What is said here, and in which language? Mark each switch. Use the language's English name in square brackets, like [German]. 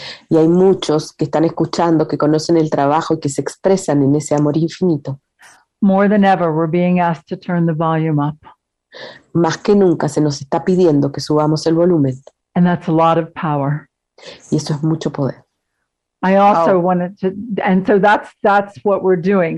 [Spanish] Y hay muchos que están escuchando, que conocen el trabajo y que se expresan en ese amor infinito. [English] More than ever, we're being asked to turn the volume up. [Spanish] Más que nunca se nos está pidiendo que subamos el volumen. [English] And that's a lot of power. [Spanish] Y eso es mucho poder. [English] I also wanted to, and so that's what we're doing.